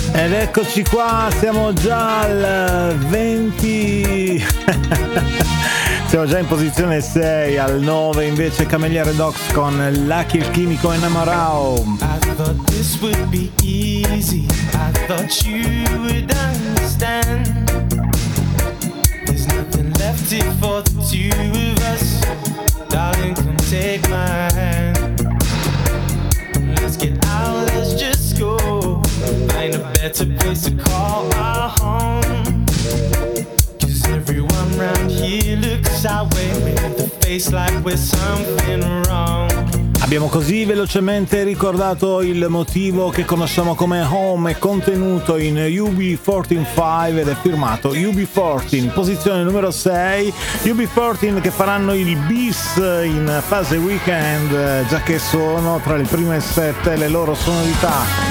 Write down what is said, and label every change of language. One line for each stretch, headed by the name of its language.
Italian: Eccoci qua, siamo già al 20, siamo già in posizione 6, al 9 invece Camellia Redox con Lucky il chimico Innamorao.
English: I thought this would be easy, I thought you would understand. There's nothing left here for the two of us, darling, come take my hand. Let's get out, let's just go. Find a better place to call our home. 'Cause everyone round here looks our way with the face like we're something wrong.
Italian: Abbiamo così velocemente ricordato il motivo che conosciamo come Home, è contenuto in UB14 ed è firmato UB14, posizione numero 6. UB14 che faranno il bis in fase weekend, già che sono tra le prime 7 le loro sonorità.